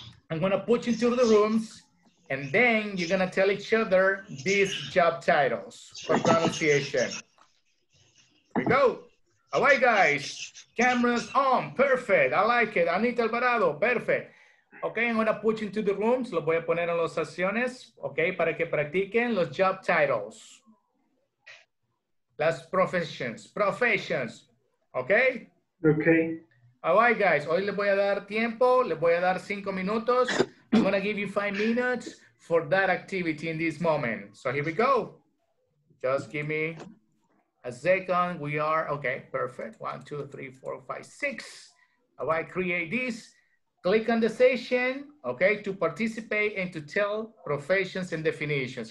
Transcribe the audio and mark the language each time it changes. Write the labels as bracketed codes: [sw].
[en] I'm going to put you into the rooms, and then you're going to tell each other these job titles for pronunciation. Here we go. All right, guys. Cameras on. Perfect. I like it. Anita Alvarado. Perfect. Okay, I'm gonna put you into the rooms. [es] Los voy a poner en las sesiones, okay, para que practiquen los job titles. Las professions, okay? Okay. [en] All right, guys, [es] hoy les voy a dar tiempo, les voy a dar 5 minutos. [en] I'm gonna give you 5 minutes for that activity in this moment. So here we go. Just give me a second. We are, okay, perfect. 1, 2, 3, 4, 5, 6. All right, create this. Click on the session, okay, to participate and to tell professions and definitions.